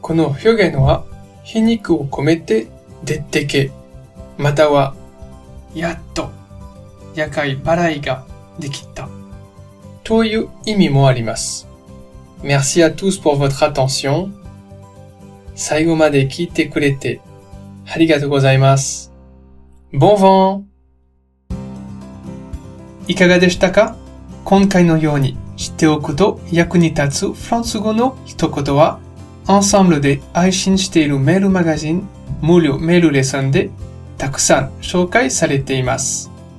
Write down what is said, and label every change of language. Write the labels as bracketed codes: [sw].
[ja] この表現は皮肉を込めて出てけ、またはやっと厄介払いができたという意味もあります。 [fr] Merci à tous pour votre attention. [ja] 最後まで聞いてくれてありがとうございます。 [fr] Bon vent! [ja] いかがでしたか? 今回のように知っておくと役に立つフランス語の一言は、Ensemble で配信しているメールマガジン、無料メールレッスンでたくさん紹介されています。